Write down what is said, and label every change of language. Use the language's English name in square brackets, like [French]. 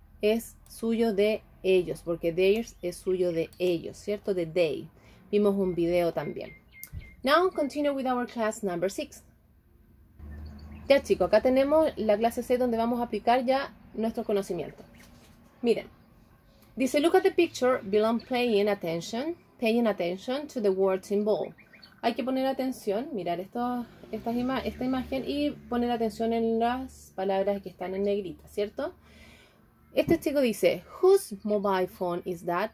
[Spanish] es suyo de ellos, porque theirs es suyo de ellos, ¿cierto? De they. Vimos un video también. [English] Now continue with our class number 6. [Spanish] Ya chicos, acá tenemos la clase C donde vamos a aplicar ya nuestro conocimiento. Miren, dice, [English] look at the picture, belong paying attention to the words involved. [Spanish] Hay que poner atención, mirar esta imagen y poner atención en las palabras que están en negrita, ¿cierto? Este chico dice, [English] whose mobile phone is that?